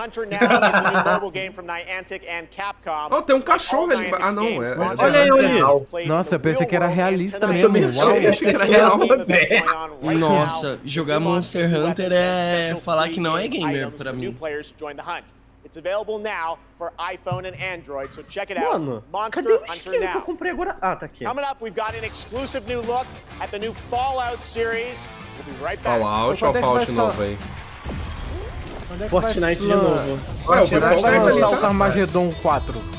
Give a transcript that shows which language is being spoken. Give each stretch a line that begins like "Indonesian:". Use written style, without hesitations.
English: Hunter Now, is a new mobile game from Niantic and Capcom.
Portuguese: Oh, tem um cachorro ali. Ah, não, é. Olha aí, olha aí. Nossa, eu pensei que era realista mesmo. Eu também achei, uau, achei que era real. Nossa, jogar Monster Hunter é falar que não é gamer pra mim.
English: It's available now for iPhone and Android, so check it out.
Portuguese: Mano, Monster cadê o esquema que eu comprei agora? Ah, tá aqui.
English: Coming up, we've got an exclusive new look at the new Fallout series. We'll be right back.
Portuguese: Fallout ou Fallout de novo aí? Fortnite de novo. Fortnite vai lançar o Armageddon 4.